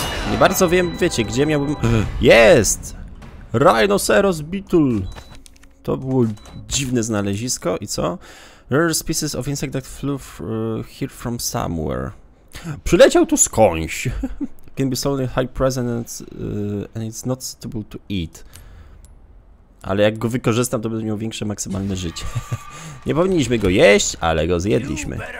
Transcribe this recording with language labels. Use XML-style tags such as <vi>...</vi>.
<pl>Nie bardzo wiem, wiecie, gdzie miałbym... Jest! Rhinoceros Beetle! To było dziwne znalezisko i co?</pl> <en>Rare species of insect that flew here from somewhere.</en> <pl>Przyleciał tu skądś.</pl> <en>Can be sold in high presence and it's not suitable to eat.</en> <pl>Ale jak go wykorzystam, to będę miał większe maksymalne życie. Nie powinniśmy go jeść, ale go zjedliśmy.</pl>